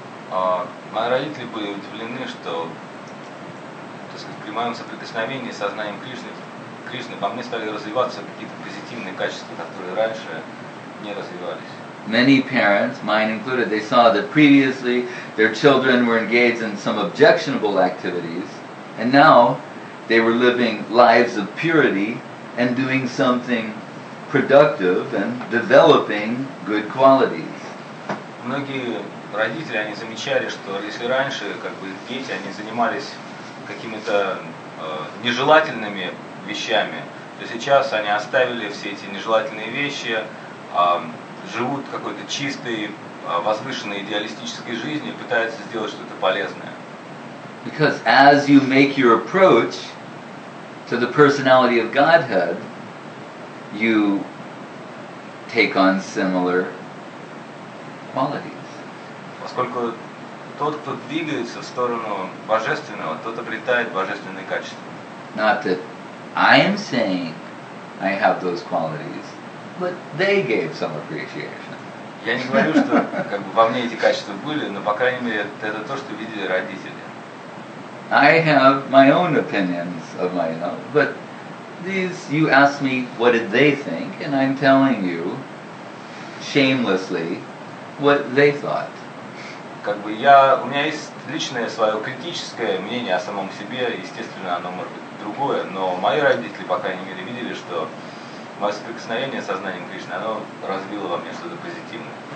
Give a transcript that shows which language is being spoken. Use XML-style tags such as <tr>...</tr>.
<ru>Мои родители были удивлены, что при моем соприкосновении с сознанием Кришны во мне стали развиваться какие-то позитивные качества, которые раньше не развивались.</ru> <en>Many parents, mine included, they saw that previously their children were engaged in some objectionable activities, and now they were living lives of purity and doing something productive and developing good qualities.</en> <ru>Многие родители, они замечали, что если раньше как бы дети, они занимались какими-то нежелательными вещами, то сейчас они оставили все эти нежелательные вещи, живут какой-то чистой, возвышенной идеалистической жизнью и пытаются сделать что-то полезное.</ru> <en>Because as you make your approach to the personality of Godhead, you take on similar qualities.</en> <ru>Поскольку тот, кто двигается в сторону божественного, тот обретает божественные качества.</ru> <en>Not that I am saying I have those qualities, but they gave some appreciation.</en> <ru>Я не говорю, что как бы во мне эти качества были, но по крайней мере это то, что видели родители.</ru> <en>I have my own opinions of my own, but these you ask me what did they think, and I'm telling you shamelessly what they thought.</en> <ru>Как бы у меня есть личное свое критическое мнение о самом себе, естественно, оно может быть другое, но мои родители, по крайней мере, видели, что мое соприкосновение с сознанием Кришны, оно развило во мне что-то позитивное.</ru>